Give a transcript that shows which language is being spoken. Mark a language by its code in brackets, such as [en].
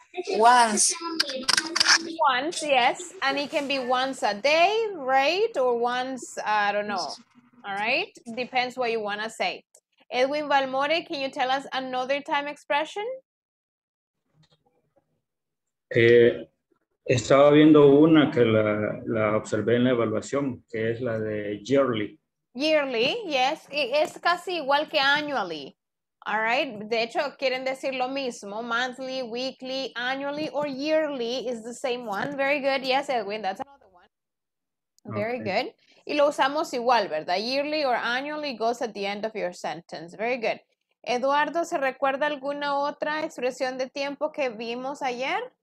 [en] Once. Once, yes. And it can be once a day, right? Or once, I don't know. All right, depends what you want to say. Edwin Valmore, can you tell us another time expression? [es] Estaba viendo una que la observé en la evaluación, que es la de yearly. [en] Yearly, yes. [es] Es casi igual que [en] annually. All right. [es] De hecho, quieren decir lo mismo. [en] Monthly, weekly, annually, or yearly is the same one. Very good. Yes, Edwin, that's another one. Very okay. Good. [es] Y lo usamos igual, ¿verdad? [en] Yearly or annually goes at the end of your sentence. Very good. [es] Eduardo, ¿se recuerda alguna otra expresión de tiempo que vimos ayer?